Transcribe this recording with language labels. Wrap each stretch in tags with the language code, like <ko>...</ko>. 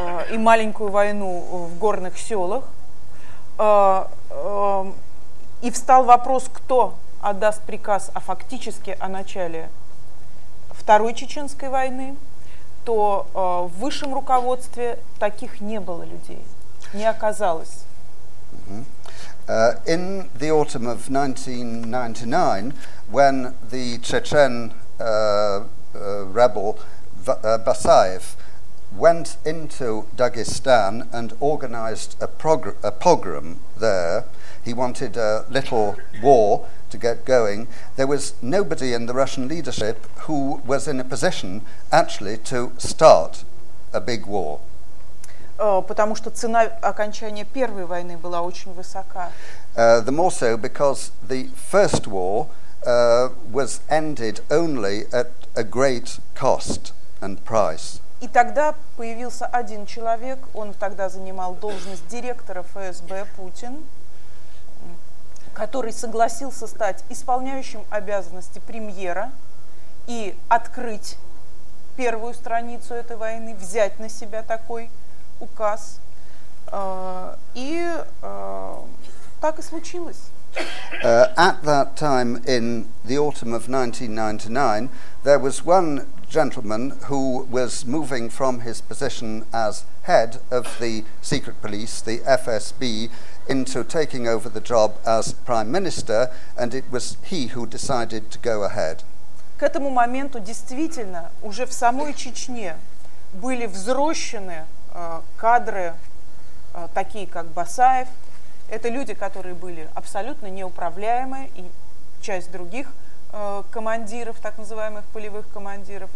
<ru>и маленькую войну в горных селах, и встал вопрос, кто отдаст приказ о фактически о начале Второй Чеченской войны, то в высшем руководстве таких не было людей, не оказалось. Mm-hmm.</ru> <en>In the autumn of 1999, when the Chechen rebel Basayev went into Dagestan and organized a pogrom there, he wanted a little war to get going, there was nobody in the Russian leadership who was in a position actually to start a big war.</en> <ru>Потому что цена окончания Первой войны была очень высока.</ru> <en>The more so because the First War was ended only at a great cost. and Price.</en> <ru>И тогда появился один человек, он тогда занимал должность директора ФСБ Путин, который согласился стать исполняющим обязанности премьера и открыть первую страницу этой войны, взять на себя такой указ. Так и случилось.</ru> <en>At that time, in the autumn of 1999, there was one gentleman who was moving from his position as head of the secret police, the FSB, into taking over the job as prime minister, and it was he who decided to go ahead.</en> <ru>К этому моменту действительно уже в самой Чечне были взращены кадры, такие как Басаев. Это люди, которые были абсолютно неуправляемы, и часть других командиров, так называемых полевых командиров.</ru>